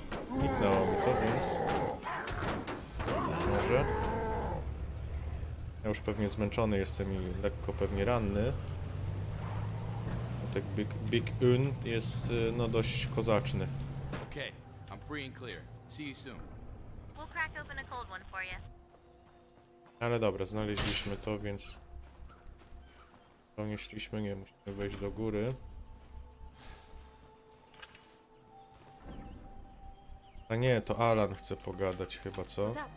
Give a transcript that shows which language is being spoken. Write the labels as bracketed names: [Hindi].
[Polish] Niknęło mi to, więc. Może. Ja już pewnie zmęczony jestem i lekko pewnie ranny. Tak Big Un jest no dość kozaczny. [English] Okay, I'm free and clear. See you soon. We'll crack open a cold one for you. [Polish] Ale dobra, znaleźliśmy to, więc donieśliśmy, nie musimy wejść do góry. A nie, to Alan chce pogadać chyba, co?